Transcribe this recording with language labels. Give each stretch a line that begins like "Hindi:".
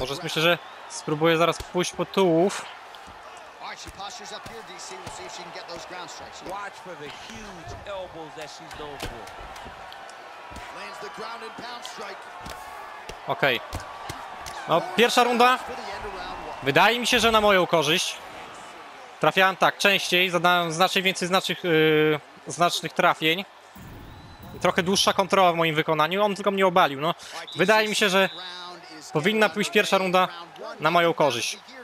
Polish: Może myślę, że spróbuję zaraz pójść po tułów.
English: Alright, she postures up here, DC. We'll see if she can get those ground strikes. Watch for the huge elbows that she's known for. Lands the ground and pound strike.
Polish: Okay. No, pierwsza runda. Wydaje mi się, że na moją korzyść. Trafiałem tak częściej, zadałem znacznie więcej znacznych trafień. Trochę dłuższa kontrola w moim wykonaniu, on tylko mnie obalił. No, wydaje mi się, że powinna pójść pierwsza runda na moją korzyść.